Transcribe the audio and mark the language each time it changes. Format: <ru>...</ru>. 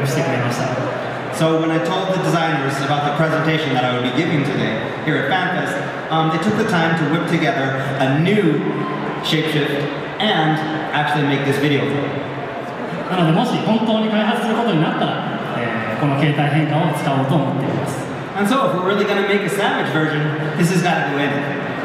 <en>So when I told the designers about the presentation that I would be giving today here at FanFest, they took the time to whip together a new shapeshift and actually make this video for me.</en> <ja>なのでもし本当に開発することになったら、この形態変換を使おうと思っています。</ja> <en>And so if we're really going to make a savage version, this has got to go in.</en>